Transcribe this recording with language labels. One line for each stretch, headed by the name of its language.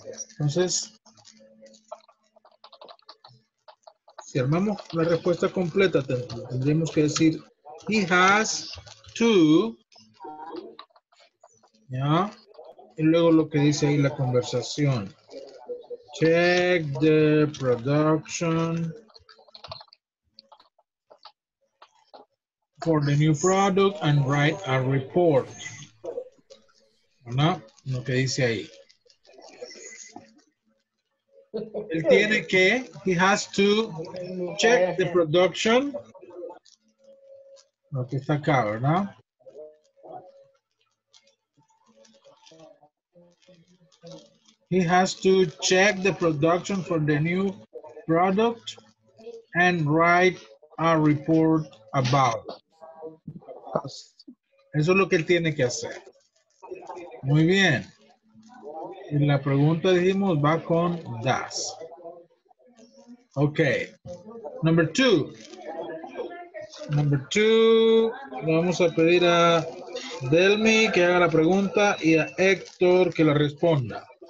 Spanish: Entonces, si armamos la respuesta completa, tendríamos que decir,
English: he has to,
Spanish: ¿ya? Y luego lo que dice ahí la conversación.
English: Check the production for the new product and write a report.
Spanish: ¿No? Lo que dice ahí. Él tiene que,
English: he has to check the production.
Spanish: Lo que está acá, ¿verdad?
English: He has to check the production for the new product and write a report about it.
Spanish: Eso es lo que él tiene que hacer. Muy bien. Y la pregunta dijimos va con does. Okay.
English: Number two,
Spanish: vamos a pedir a Delmi que haga la pregunta y a Héctor que la responda.